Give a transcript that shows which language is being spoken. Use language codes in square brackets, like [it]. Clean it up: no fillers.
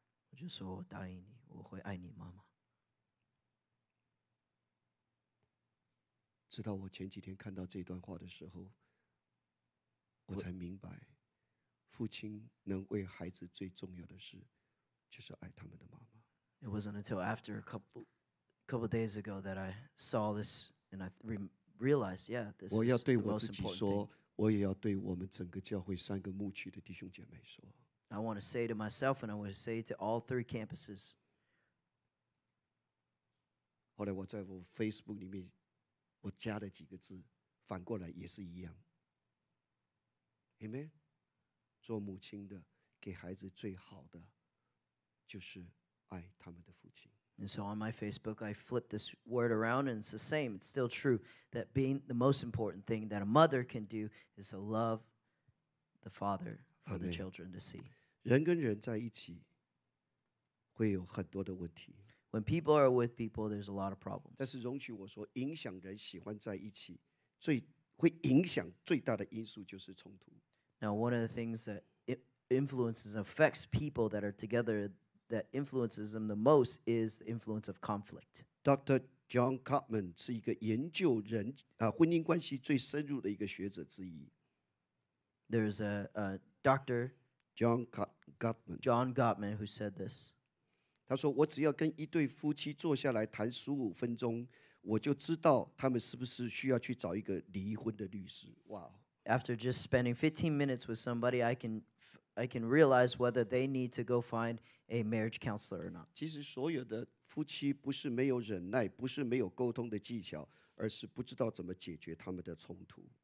[zh] 我就说我答应你，我会爱你妈妈。直到我前几天看到这段话的时候，我才明白，父亲能为孩子最重要的事就是爱他们的妈妈。 [en] It wasn't until after a couple days ago that I saw this and I realized, yeah, this is the most important thing. [zh] 我要对我自己说，我也要对我们整个教会三个牧区的弟兄姐妹说。 [en] I want to say to myself and I want to say to all three campuses. [zh] 后来我在我 Facebook 里面，我加了几个字，反过来也是一样。Amen. 做母亲的，给孩子最好的，就是爱他们的父亲。 [en] And so on my Facebook, I flipped this word around, and it's the same. It's still true that being the most important thing that a mother can do is to love the father for the children to see. [zh] 人跟人在一起会有很多的问题。 [en] When people are with people, there's a lot of problems. [zh] 但是容许我说，影响人喜欢在一起，最会影响最大的因素就是冲突。 [en] Now, one of the things that influences and affects people that are together. That influences them the most is the influence of conflict. [zh] Dr. John Gottman 是一个研究人啊婚姻关系最深入的一个学者之一。 [en] There's a Dr. John Gottman. John Gottman who said this. [zh] 他说：“我只要跟一对夫妻坐下来谈15分钟，我就知道他们是不是需要去找一个离婚的律师。” [en] Wow. After just spending 15 minutes with somebody, I can realize whether they need to go find a marriage counselor or not. [zh] 其实所有的夫妻不是没有忍耐，不是没有沟通的技巧，而是不知道怎么解决他们的冲突。